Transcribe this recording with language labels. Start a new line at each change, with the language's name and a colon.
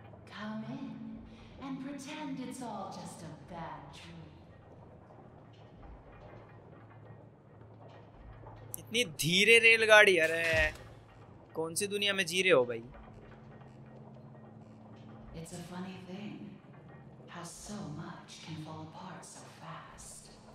English: Come in and pretend it's all just a bad dream.
Hindi: इतनी धीरे रेलगाड़ी, अरे कौन सी दुनिया में जी रहे हो भाई?
English: It's a funny thing how so much can fall apart so fast.